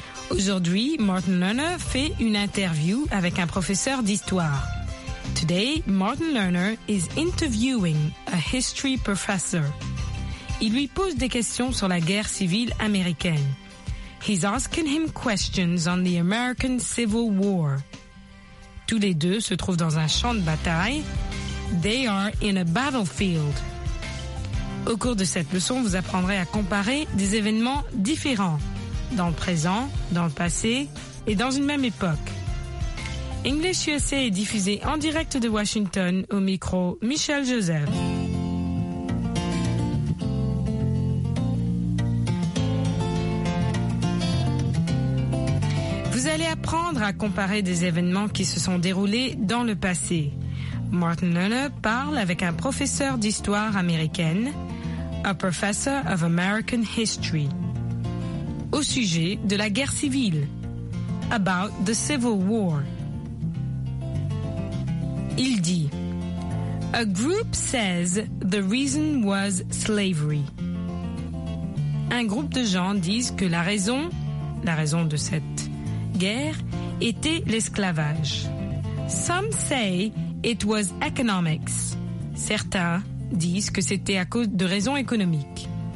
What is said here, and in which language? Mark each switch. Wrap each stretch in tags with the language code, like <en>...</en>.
<fr>Aujourd'hui, Martin Lerner fait une interview avec un professeur d'histoire.</fr> <en>Today, Martin Lerner is interviewing a history professor.</en> <fr>Il lui pose des questions sur la guerre civile américaine.</fr> <en>He's asking him questions on the American Civil War.</en> <fr>Tous les deux se trouvent dans un champ de bataille.</fr> <en>They are in a battlefield.</en> <fr>Au cours de cette leçon, vous apprendrez à comparer des événements différents. Dans le présent, dans le passé et dans une même époque. English USA est diffusé en direct de Washington au micro Michel Joseph. Vous allez apprendre à comparer des événements qui se sont déroulés dans le passé. Martin Luther parle avec un professeur d'histoire américaine,</fr> <en>a professor of American history,</en> <fr>au sujet de la guerre civile,</fr> <en>about the Civil War.</en> <fr>Il dit,</fr> <en>a group says the reason was slavery.</en> <fr>Un groupe de gens disent que la raison de cette guerre était l'esclavage.</fr> <en>Some say it was economics.</en> <fr>Certains disent que c'était à cause de raisons économiques.</fr>